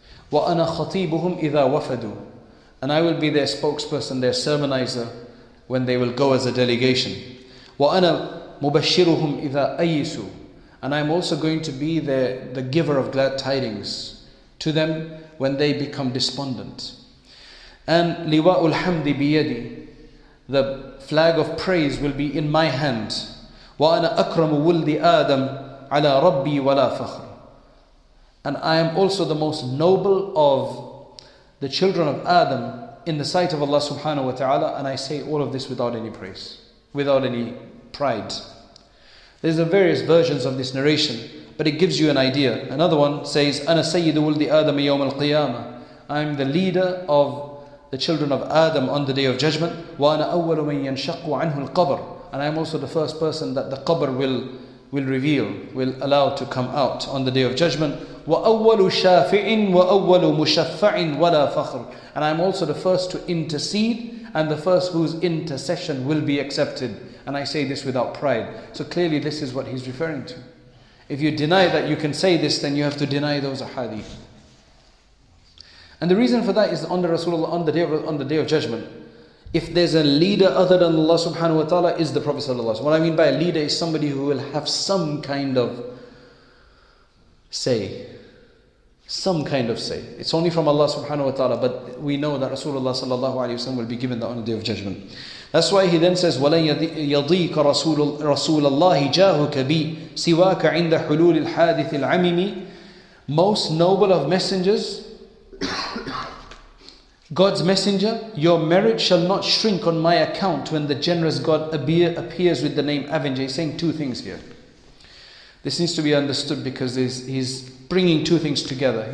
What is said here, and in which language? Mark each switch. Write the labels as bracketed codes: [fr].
[ar] وَأَنَا خَطِيبُهُمْ إِذَا وَفَدُ. [en] And I will be their spokesperson, their sermonizer, when they will go as a delegation. [ar] وَأَنَا مُبَشِّرُهُمْ إِذَا أَيِّسُ. [en] And I'm also going to be the giver of glad tidings to them when they become despondent. [ar] And لِوَاءُ الْحَمْدِ بِيَدِي. [en] The flag of praise will be in my hand. [ar] وَأَنَا أَكْرَمُ وُلْدِ آدَمْ عَلَىٰ رَبِّي وَلَا فَخْرٍ. [en] And I am also the most noble of the children of Adam in the sight of Allah subhanahu wa ta'ala, and I say all of this without any praise, without any pride. There's a various versions of this narration, but it gives you an idea. Another one says, [ar] أَنَا سَيِّدُ وُلْدِ آدَمْ يَوْمَ الْقِيَامَةِ. [en] I'm the leader of the children of Adam on the day of judgment. [ar] وَأَنَا أَوَّلُ مَنْ يَنْشَقُ عَنْهُ الْقَبْرِ. [en] And I'm also the first person that the qabr will reveal, will allow to come out on the day of judgment. [ar] وَأَوَّلُ شَافِعٍ وَأَوَّلُ مُشَفَّعٍ وَلَا فَخْرٍ. [en] And I'm also the first to intercede and the first whose intercession will be accepted. And I say this without pride. So clearly this is what he's referring to. If you deny that you can say this, then you have to deny those ahadith. And the reason for that is on the Rasulullah, on the day of judgment, if there's a leader other than Allah subhanahu wa ta'ala, is the Prophet sallallahu alaihi wasallam. What I mean by a leader is somebody who will have some kind of say. Some kind of say. It's only from Allah subhanahu wa ta'ala, but we know that Rasulullah sallallahu alaihi wasallam will be given that on the day of judgment. That's why he then says, [ar] وَلَنْ يَضِيكَ رَسُولَ اللَّهِ جَاهُكَ بِي سِوَاكَ عِنْدَ حُلُولِ الْحَادِثِ الْعَمِمِ. [en] Most noble of messengers, God's messenger, your merit shall not shrink on my account when the generous God appears with the name Avenger. He's saying two things here. This needs to be understood because he's bringing two things together.